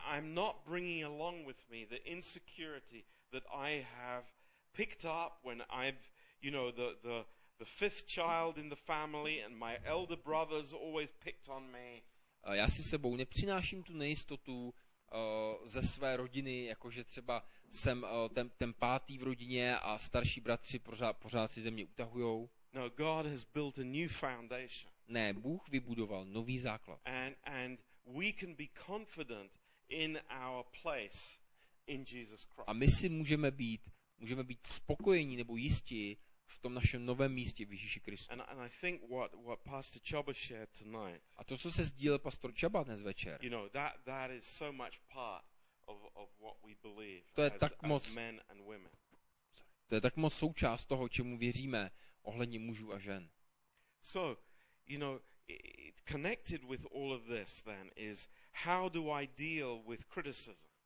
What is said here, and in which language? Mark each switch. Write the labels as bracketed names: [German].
[English] I'm not bringing along with me the insecurity that I have picked up when I've, you know, the fifth child in the family and my elder brothers always picked on me. [Czech] Já si sebou nepřináším tu nejistotu ze své rodiny, jakože třeba jsem ten pátý v rodině a starší bratři pořád si ze mě utahujou. [English] No, God has built a new foundation. [Czech] Ne, Bůh vybudoval nový základ. [English] And we can be confident in our place in Jesus Christ. [Czech] A my si můžeme být spokojení nebo jisti v tom našem novém místě v Ježíši Kristu. [English] And I think what Pastor Chuba shared tonight. [Czech] A to, co se sdílel pastor Chuba dnes večer. [English] You know, that is so much part of what we believe. [Czech] To je tak moc [English] men and women. [Czech] To je tak moc součást toho, čemu věříme ohledně mužů a žen. [English] So, you know, it connected with all of this then is how do I deal with criticism?